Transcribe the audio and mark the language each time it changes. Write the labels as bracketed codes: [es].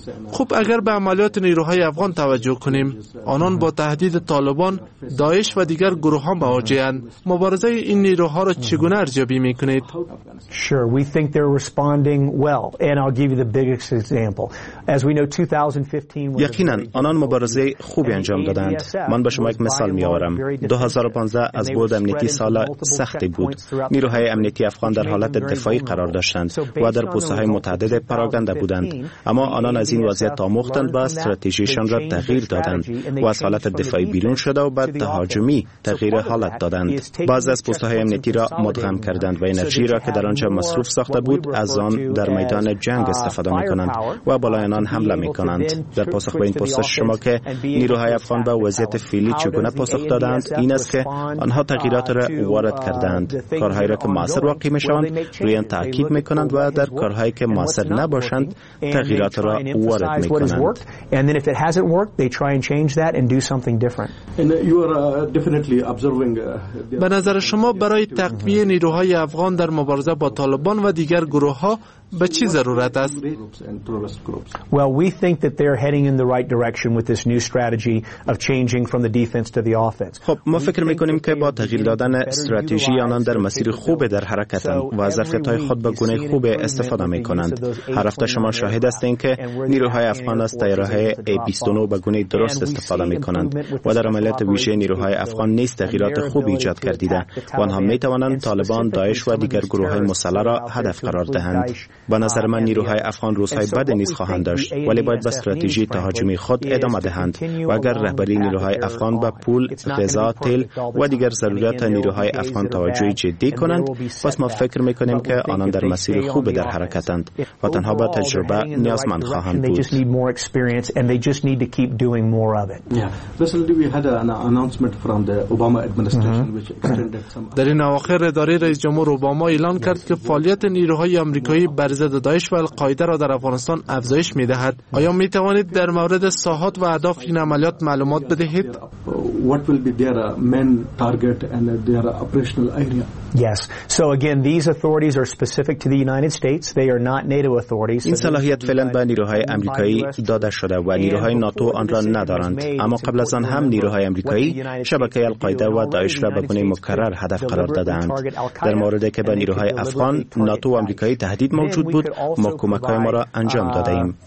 [fa] خب اگر به عملیات نیروهای افغان توجه کنیم، آنان با تهدید طالبان، داعش و دیگر گروهان مواجهند. مبارزه این نیروها را چگونه ارزیابی میکنید؟ [en] Sure, we think they're responding well, and I'll give you the biggest example. As we know, 2015 [fa] یقیناً آنان مبارزه خوبی انجام دادند. من به شما یک مثال میآورم. 2015 از بود امنیتی سال سختی بود. نیروهای امنیتی افغان در حالت دفاعی قرار داشتند و در پوسته‌های متعدد پراگنده بودند. اما آنان از این وضعیت آموختند و استراتژیشان را تغییر دادند و از حالت دفاعی بیرون شده و بعد تهاجمی تغییر حالت دادند. بعض از پوسته‌های امنیتی را مدغم کردند و انرژی را که در آنجا مصروف ساخته بود از آن در میدان جنگ استفاده می‌کنند و بالای آنان حمله می‌کنند. در پاسخ به این پرسش شما که نیروهای افغان به وضعیت فعلی چگونه پاسخ دادند، این است که آنها تغییرات را وارد کردند. کارهایی را که مؤثر واقع می‌شوند روی آن تاکید می‌کنند و در کارهایی که مؤثر نباشند تغییرات را وارد می‌کنند. [en] And if it hasn't worked, they try and change that and do something different. You are definitely observing. [fa] به نظر شما برای تقویه نیروهای افغان در مبارزه با طالبان و دیگر گروه‌ها به چه ضرورت است؟ [en] Well, we think that they're heading in the right direction with this new strategy of changing from the defense to the offense. [fa] خب ما فکر می‌کنیم که با تغییر دادن استراتژی آنان در مسیر خوب در حرکت هستند و ظرفیت‌های خود به گونه خوب استفاده می‌کنند. هر هفته شما شاهد هستین که نیروهای افغان از تیاره‌های A-29 به گونه درست استفاده می‌کنند و در عملیات ویژه نیروهای افغان نیز تغییرات خوبی ایجاد کرده‌اند. آنها می‌توانند طالبان، داعش و دیگر گروه‌های مسلح را هدف قرار دهند. به نظر من نیروهای افغان روزهای بد نیز خواهند داشت، ولی باید به استراتژی تهاجمی خود ادامه دهند و اگر رهبری نیروهای افغان به پول، غذا، تیل و دیگر ضروریات نیروهای افغان توجه جدی کنند، پس ما فکر میکنیم که آنان در مسیر خوب در حرکتند و تنها با تجربه نیازمند خواهند بود. [en] Recently, we had an announcement from the Obama administration, which extended some. [fa] در این اواخر اداره رئیس جمهور اوباما اعلان کرد که فعالیت نیروهای آمریکایی بر ضد داعش و القاعده را در افغانستان افزایش می‌دهد. آیا می توانید در مورد ساحات و اهداف این عملیات معلومات بدهید؟ [en] What will be their main target and their operational area? Yes. So again, these authorities are specific to the United States. They are not NATO authorities. [fa] این صلاحیت فعلا به نیروهای آمریکایی داده شده و نیروهای ناتو آن را ندارند. اما قبل از آن هم نیروهای آمریکایی شبکه القاعده و داعش را به گونه مکرر هدف قرار دادند. در موردی که به نیروهای افغان، ناتو و آمریکایی تهدید موجود بود، ما کمک‌های ما را انجام دادیم.